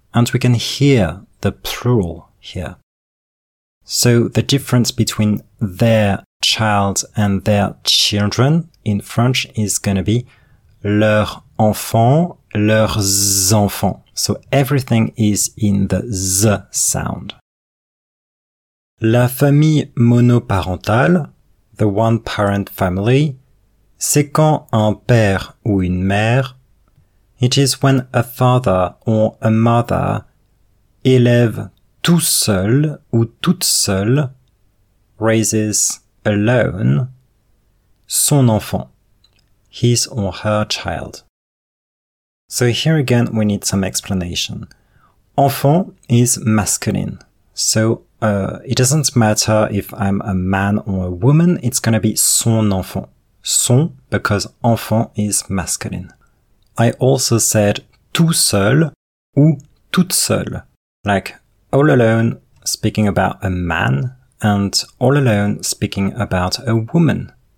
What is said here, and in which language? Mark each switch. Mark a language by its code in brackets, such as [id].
[en] And we can hear the plural here. So the difference between their child and their children in French is gonna be [fr] leurs enfants, leurs enfants. [en] So everything is in the Z sound. [fr] La famille monoparentale, [en] the one-parent family, [fr] c'est quand un père ou une mère, [en] it is when a father or a mother [fr] élève tout seul ou toute seule, [en] raises alone, [fr] son enfant, [en] his or her child. So here again we need some explanation. Enfant is masculine. So it doesn't matter if I'm a man or a woman, it's gonna be son enfant. Son, because enfant is masculine. I also said [fr] tout seul ou toute seule, [en] like all alone speaking about a man and all alone speaking about a woman.